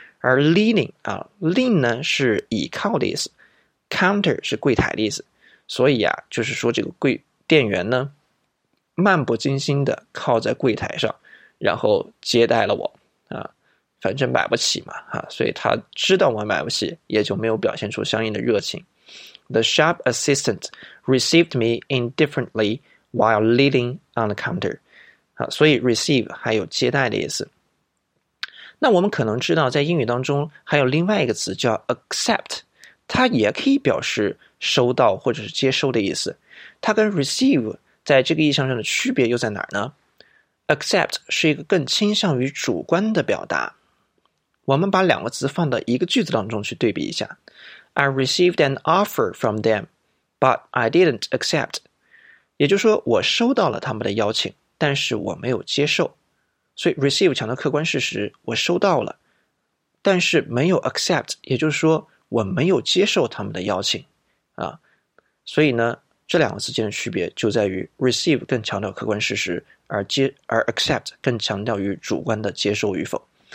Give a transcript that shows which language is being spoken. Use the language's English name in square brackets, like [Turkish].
[Chinese] 而 leaning 啊 ，lean 呢是倚靠的意思 ，counter 是柜台的意思，所以啊，就是说这个柜店员呢，漫不经心的靠在柜台上。然后接待了我啊，反正买不起嘛啊，所以他知道我买不起，也就没有表现出相应的热情。 [English] The shop assistant received me indifferently while leaning on the counter。 [Chinese] 啊，所以 receive 还有接待的意思。那我们可能知道，在英语当中还有另外一个词叫 accept， 它也可以表示收到或者是接收的意思。它跟 receive 在这个意象上的区别又在哪儿呢？ Accept 是一个更倾向于主观的表达。我们把两个词放到一个句子当中去对比一下。 [English] I received an offer from them, but I didn't accept. [Chinese] 也就是说，我收到了他们的邀请，但是我没有接受。所以 receive 强调客观事实，我收到了，但是没有 accept， 也就是说，我没有接受他们的邀请。啊，所以呢，这两个词间的区别就在于 receive 更强调客观事实，而 accept 更强调于主观的接受与否。